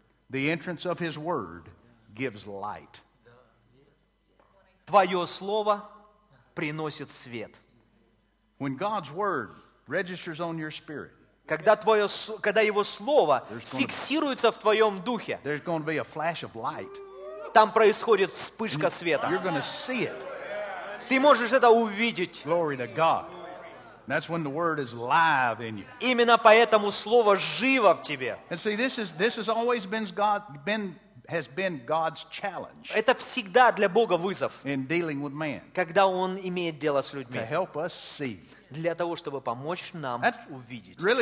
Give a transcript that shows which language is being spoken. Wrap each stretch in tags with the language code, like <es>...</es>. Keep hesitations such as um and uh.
<en>the entrance of his word gives light.</en> <ru>Твое слово приносит свет.</ru> <en>When God's word registers on your spirit,</en> <ru>когда, твое, когда Его Слово фиксируется в твоем духе,</ru> <en>there's going to be a flash of light</en> <ru>там происходит вспышка света. Ты можешь это увидеть.</ru> <en>That's when the word is live in you.</en> <ru>Именно поэтому слово живо в тебе.</ru> <en>And see, this is this has always been God been has been God's challenge.</en> <ru>Это всегда для Бога вызов.</ru> <en>In dealing with man.</en> <ru>Когда он имеет дело с людьми.</ru> <en>To help us see</en> <ru>для того, чтобы помочь нам увидеть.</ru>